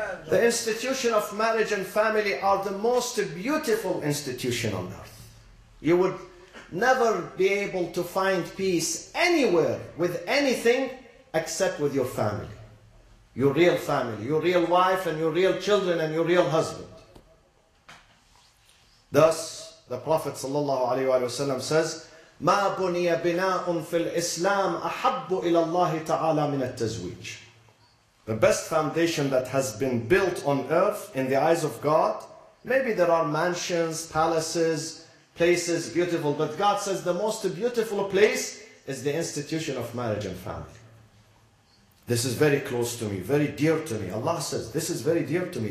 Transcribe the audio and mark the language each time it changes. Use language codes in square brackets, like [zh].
[en] The institution of marriage and family are the most beautiful institution on earth. You would never be able to find peace anywhere with anything except with your family. Your real family, your real wife and your real children and your real husband. Thus, the Prophet ﷺ says, [ar] مَا بُنِيَ بِنَاءٌ فِي الْإِسْلَامِ أَحَبُّ إِلَى اللَّهِ تَعَالَى مِنَ التَّزْوِيجِ. [en] The best foundation that has been built on earth in the eyes of God, maybe there are mansions, palaces, places beautiful, but God says the most beautiful place is the institution of marriage and family. This is very close to me, very dear to me. Allah says, this is very dear to me.